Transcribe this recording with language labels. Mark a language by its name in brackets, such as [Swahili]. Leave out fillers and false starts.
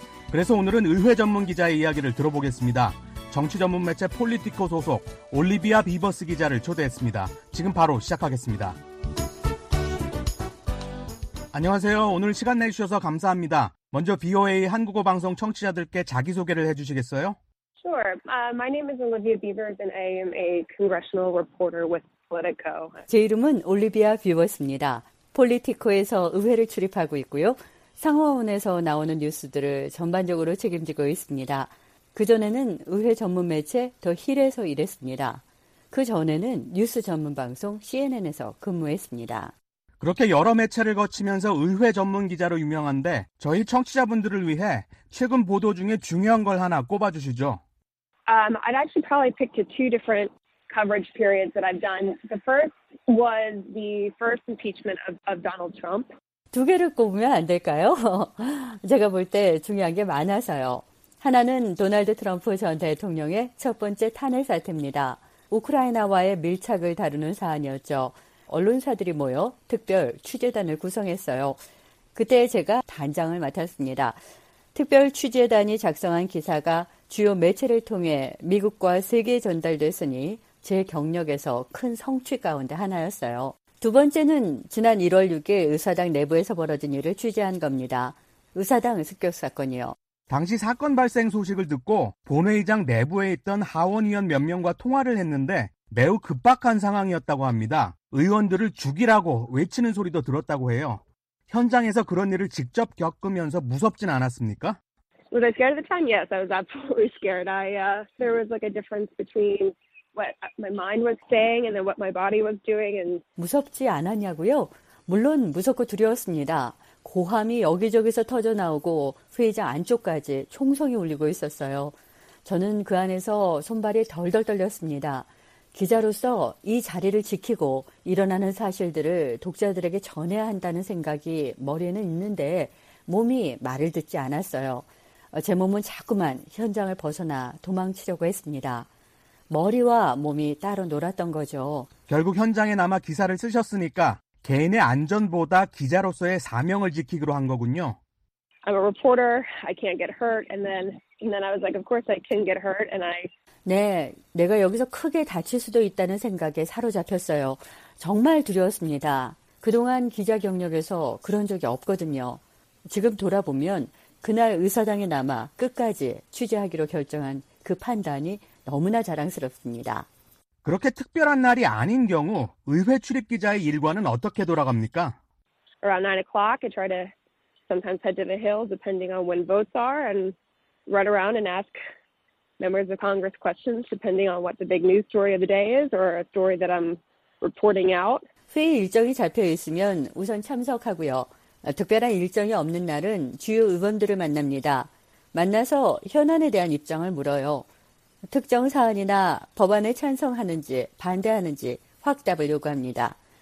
[Korean] 그래서 오늘은 의회 전문 기자의 이야기를 들어보겠습니다. 정치 전문 매체 폴리티코 소속 올리비아 비버스 기자를 초대했습니다. 지금 바로 시작하겠습니다. 안녕하세요. 오늘 시간 내주셔서 감사합니다. 먼저 VOA 한국어 방송 청취자들께 자기소개를 해주시겠어요? [English] Sure. My name is Olivia Beavers and I am a congressional reporter with Politico. [Korean] 제 이름은 올리비아 비버스입니다. 폴리티코에서 의회를 출입하고 있고요. 상원에서 나오는 뉴스들을 전반적으로 책임지고 있습니다. 그전에는 의회 전문 매체 더 힐에서 일했습니다. 그전에는 뉴스 전문 방송 CNN에서 근무했습니다. 그렇게 여러 매체를 거치면서 의회 전문 기자로 유명한데 저희 청취자분들을 위해 최근 보도 중에 중요한 걸 하나 꼽아주시죠. [English] I'd actually probably pick two different coverage periods that I've done. The first was the first impeachment of Donald Trump. [Korean] 두 개를 꼽으면 안 될까요? 제가 볼 때 중요한 게 많아서요. 하나는 도널드 트럼프 전 대통령의 첫 번째 탄핵 사태입니다. 우크라이나와의 밀착을 다루는 사안이었죠. 언론사들이 모여 특별 취재단을 구성했어요. 그때 제가 단장을 맡았습니다. 특별 취재단이 작성한 기사가 주요 매체를 통해 미국과 세계에 전달됐으니 제 경력에서 큰 성취 가운데 하나였어요. 두 번째는 지난 1월 6일 의사당 내부에서 벌어진 일을 취재한 겁니다. 의사당 습격 사건이요. 당시 사건 발생 소식을 듣고 본회의장 내부에 있던 하원의원 몇 명과 통화를 했는데 매우 급박한 상황이었다고 합니다. 의원들을 죽이라고 외치는 소리도 들었다고 해요. 현장에서 그런 일을 직접 겪으면서 무섭진 않았습니까? [English] Was I scared at the time? Yes, I was absolutely scared. There was like a difference between what my mind was saying and then what my body was doing. And [Korean] 무섭지 않았냐고요? 물론 무섭고 두려웠습니다. 고함이 여기저기서 터져나오고 회의장 안쪽까지 총성이 울리고 있었어요. 저는 그 안에서 손발이 덜덜 떨렸습니다. 기자로서 이 자리를 지키고 일어나는 사실들을 독자들에게 전해야 한다는 생각이 머리에는 있는데 몸이 말을 듣지 않았어요. 제 몸은 자꾸만 현장을 벗어나 도망치려고 했습니다. 머리와 몸이 따로 놀았던 거죠. 결국 현장에 남아 기사를 쓰셨으니까 개인의 안전보다 기자로서의 사명을 지키기로 한 거군요. [English] I'm a reporter. I can't get hurt. And then I was like, of course I can get hurt. And I [Korean] 네, 내가 여기서 크게 다칠 수도 있다는 생각에 사로잡혔어요. 정말 두려웠습니다. 그동안 기자 경력에서 그런 적이 없거든요. 지금 돌아보면 그날 의사당에 남아 끝까지 취재하기로 결정한 그 판단이 너무나 자랑스럽습니다. 그렇게 특별한 날이 아닌 경우 의회 출입 기자의 일과는 어떻게 돌아갑니까? [English] Around 9 o'clock, I try to sometimes head to the Hill, depending on when votes are, and run around and ask members of Congress questions, depending on what the big news story of the day is or a story that I'm reporting out. [Korean] 회의 일정이 잡혀 있으면 우선 참석하고요. 특별한 일정이 없는 날은 주요 의원들을 만납니다. 만나서 현안에 대한 입장을 물어요. 특정 사안이나 법안에 찬성하는지 반대하는지 확답을 요구합니다.